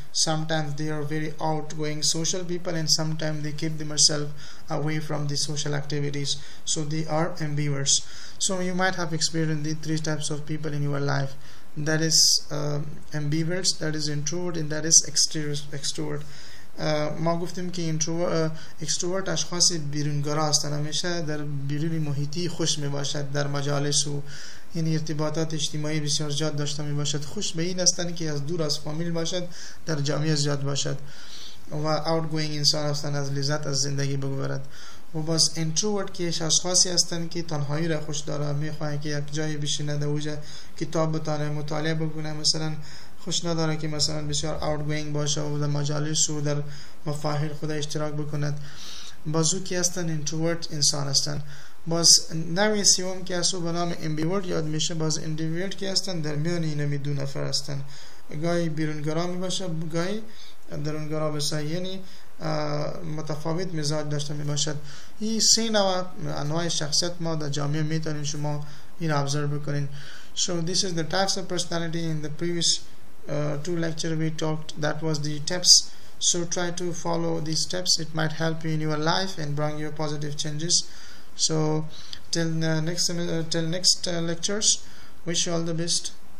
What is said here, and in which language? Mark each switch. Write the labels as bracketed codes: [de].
[en] Sometimes they are very outgoing social people, and sometimes they keep themselves away from the social activities, so they are ambiverts. So you might have experienced the three types of people in your life, that is ambiverts, that is introvert, and that is extrovert. [fa] ما گفتیم که اینتروورت اشخاص بیرونگرا هستند، همیشه در بیرون محیطی خوش می باشد، در مجالس و این ارتباطات اجتماعی بسیار زیاد داشته می باشد، خوش به این هستند که از دور از فامیل باشد، در جامعه زیاد باشد و آوتگوینگ انسان هستند، از لذت از زندگی ببرد. و باز اینتروورت که اشخاصی هستند که تنهایی را خوش داره، می خواهند که یک جایی بشینند، اوجا کتاب بتانه، مطالعه بکنه، مثلا خوش نداره که مثلا بسیار آوتگوینگ باشه و در مجالس و در مفاهیم خود اشتراک بکند. بازو که هستن اینتروورت انسان هستن. باز نوع سوم که هستو به نام امبیورت یاد میشه، باز اندیورت که هستن در میان این می دو نفر هستن، گاهی بیرونگرا می باشه، گاهی درونگرا بسیار، یعنی متفاوت مزاج داشته می باشد. این سه نوع انواع شخصیت ما در جامعه می تانید شما این ابزرو بکنین. [en] So this is the types of personality. In the previous two lecture we talked, that was the steps, so try to follow these steps, it might help you in your life and bring you positive changes. So till next lectures, wish you all the best.